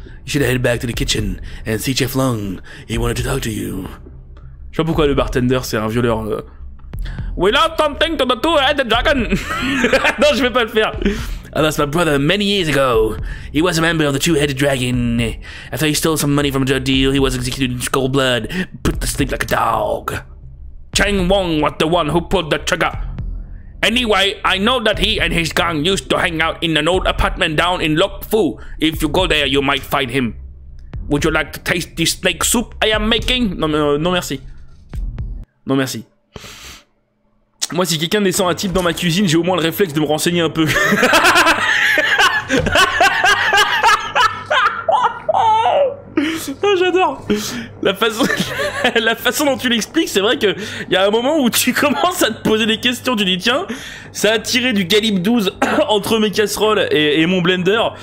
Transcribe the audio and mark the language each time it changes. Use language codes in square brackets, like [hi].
[en] You should head back to the kitchen and see Chef Long. He wanted to talk to you. [fr] Je sais pourquoi le bartender c'est un violeur. [en] We love something to the two-headed dragon. [fr] Non, je vais pas le faire. [en] I lost my brother many years ago. He was a member of the two-headed dragon. After he stole some money from a drug deal, he was executed in cold blood, put to sleep like a dog. Chang Wong was the one who pulled the trigger. Anyway, I know that he and his gang used to hang out in an old apartment down in Lok Fu. If you go there, you might find him. Would you like to taste this snake soup I am making? [fr] Non, merci. Moi, si quelqu'un descend un type dans ma cuisine, j'ai au moins le réflexe de me renseigner un peu. Oh, j'adore. La façon dont tu l'expliques, c'est vrai que il y a un moment où tu commences à te poser des questions. Tu dis, tiens, ça a tiré du calibre 12 entre mes casseroles et mon blender.